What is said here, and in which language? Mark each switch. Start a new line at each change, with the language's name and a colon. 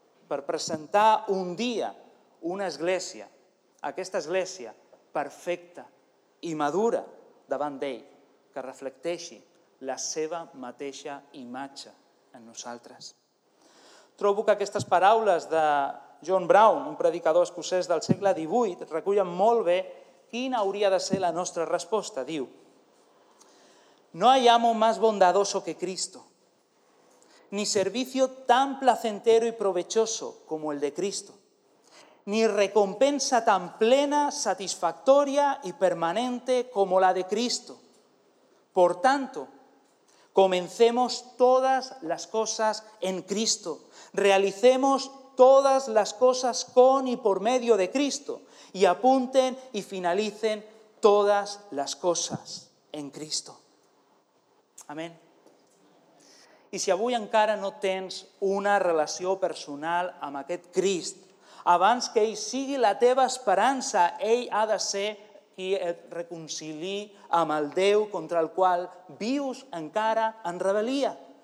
Catalan: per presentar un dia una església, aquesta església perfecta i madura davant d'ell, que reflecteixi la seva mateixa imatge en nosaltres. Trobo que aquestes paraules de John Brown, un predicador escocès del segle XVIII, recullen molt bé quina hauria de ser la nostra resposta.
Spanish: Diu: no hay amo más bondadoso que Cristo, ni servicio tan placentero y provechoso como el de Cristo, ni recompensa tan plena, satisfactoria y permanente como la de Cristo. Por tanto, comencemos todas las cosas en Cristo, realicemos todas las cosas con y por medio de Cristo y apunten y finalicen todas las cosas en Cristo. Amén.
Catalan: I si avui encara no tens una relació personal amb aquest Crist, abans que ell sigui la teva esperança, ell ha de ser qui et reconcilii amb el Déu contra el qual vius encara en rebel·lia.